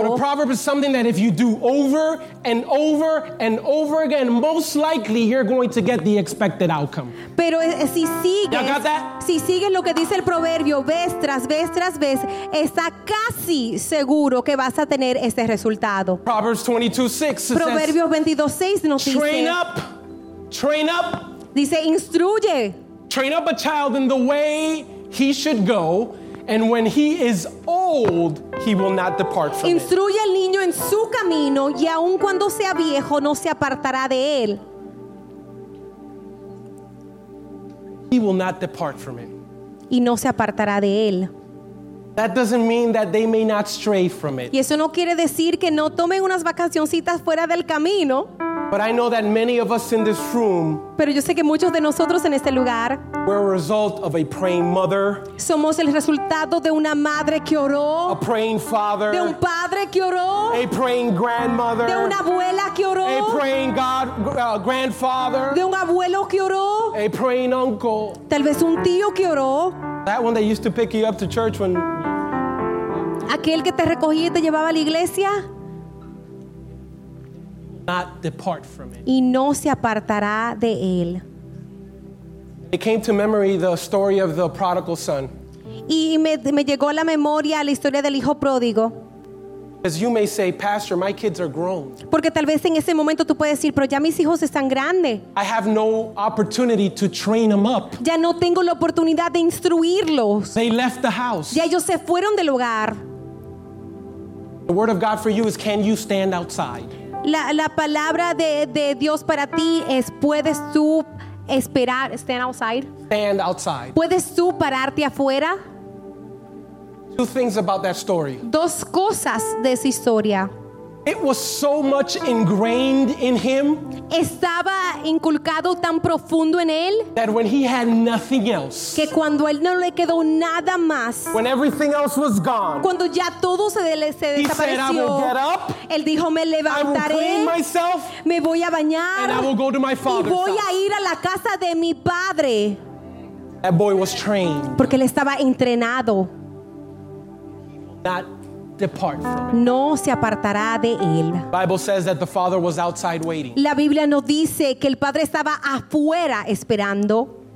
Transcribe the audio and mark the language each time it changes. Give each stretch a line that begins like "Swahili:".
English: But a proverb is something that if you do over and over and over again, most likely you're going to get the expected outcome.
Spanish: Pero si sigues,
English: y'all got that?
Spanish: Si sigues lo que dice el proverbio vez tras vez tras vez, está casi seguro que vas a tener este resultado.
English: Proverbs 22:6 says.
Spanish: Proverbios 22:6 nos dice.
English: Train up. Train up.
Spanish: Dice, instruye.
English: Train up a child in the way he should go, and when he is old, he will not depart from
Spanish: instruye Instruye al niño en su camino, y aun cuando sea viejo, no se apartará de él.
English: He will not depart from it.
Spanish: Y no se apartará de él.
English: That doesn't mean that they may not stray from it.
Spanish: Y eso no quiere decir que no tomen unas vacacioncitas fuera del camino.
English: But I know that many of us in this room,
Spanish: pero yo sé que muchos de nosotros en este lugar,
English: we're a result of a praying mother,
Spanish: somos el resultado de una madre que oró,
English: a praying father,
Spanish: de un padre que oró,
English: a praying grandmother,
Spanish: de una abuela que oró,
English: a praying grandfather,
Spanish: de un abuelo que oró,
English: a praying uncle,
Spanish: tal vez un tío que oró,
English: that one that used to pick you up to church when,
Spanish: aquel que te recogía y te llevaba a la iglesia.
English: Not depart from it.
Spanish: Y no se apartará de él.
English: It came to memory the story of the prodigal son.
Spanish: Y me llegó a la memoria la historia del hijo pródigo.
English: As you may say, Pastor, my kids are grown.
Spanish: Porque tal vez en ese momento tú puedes decir, pero ya mis hijos están grandes.
English: I have no opportunity to train them up.
Spanish: Ya no tengo la oportunidad de instruirlos.
English: They left the house.
Spanish: Ya ellos se fueron del hogar.
English: The word of God for you is, can you stand outside?
Spanish: La palabra de Dios para ti es, ¿puedes tú esperar?
English: Stand outside. Stand outside.
Spanish: ¿Puedes tú pararte afuera?
English: Two things about that story.
Spanish: Dos cosas de esa historia.
English: It was so much ingrained in him.
Spanish: Estaba inculcado tan profundo en él.
English: That when he had nothing else.
Spanish: Que cuando él no le quedó nada más.
English: When everything else was gone.
Spanish: Cuando ya todo se desapareció.
English: He said, "I will get up."
Spanish: Él dijo, "Me levantaré."
English: I will clean myself.
Spanish: Me voy a bañar.
English: And I will go to my father's.
Spanish: Y voy a ir a la casa de mi padre.
English: That boy was trained.
Spanish: Porque él estaba entrenado.
English: Not depart from.
Spanish: No se apartará de él.
English: Bible says that the father was outside waiting.
Spanish: La Biblia nos dice que el padre estaba afuera esperando.